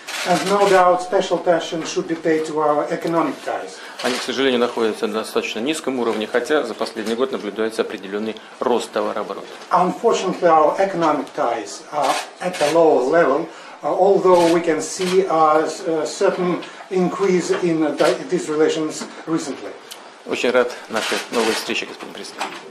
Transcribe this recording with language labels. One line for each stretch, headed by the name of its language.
English: And no doubt, special attention should be paid to our economic ties.
Russian: Они, к сожалению, находятся на достаточно низком уровне, хотя за последний год наблюдается определенный рост товарооборота.
English: Unfortunately, our economic ties are at a lower level, although we can see a certain increase in these relations recently.
Russian: Очень рад нашей новой встрече, господин президент.